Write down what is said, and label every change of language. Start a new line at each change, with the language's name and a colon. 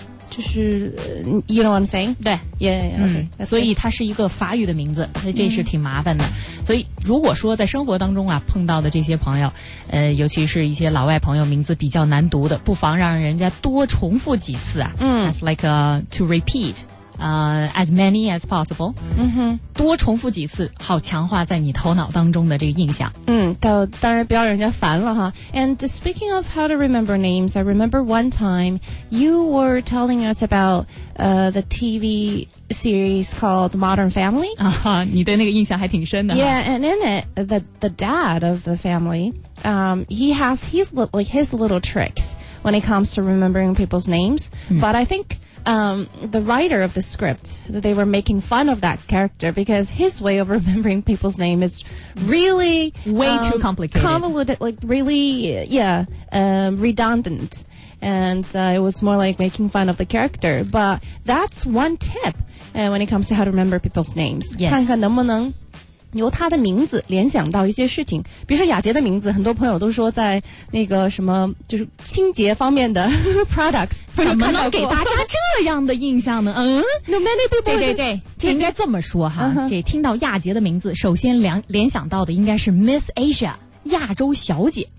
English: 就是 you know what I'm saying?
Chinese: 对
English: yeah, okay.
Chinese: 所以它是一个法语的名字，所以这是挺麻烦的。所以如果说在生活当中啊碰到的这些朋友，尤其是一些老外朋友名字比较难读的，不妨让人家多重复几次啊。
English: That's like to repeat as many as possible.
Chinese: 多重复几次，好强化在你头脑当中的这个印象。当然不要人家烦了哈。
English: And speaking of how to remember names, I remember one time you were telling us about the TV series called Modern Family.
Chinese: 啊哈，你对那个印象还挺深的。
English: Yeah, and in it, the dad of the family, he has his little tricks when it comes to remembering people's names. But I think. The writer of the script, they were making fun of that character because his way of remembering people's name is really way too complicated. Convoluted, like really, redundant. And it was more like making fun of the character. But that's one tip, when it comes to how to remember people's names. Yes.
Chinese: 看看能不能由他的名字联想到一些事情，比如说雅洁的名字，很多朋友都说在那个什么就是清洁方面的products 怎么能给大家这样的印象呢？
English: No many people
Chinese: 这应该这么说哈，这听到雅洁的名字，首先联想到的应该是 Miss Asia 亚洲小姐。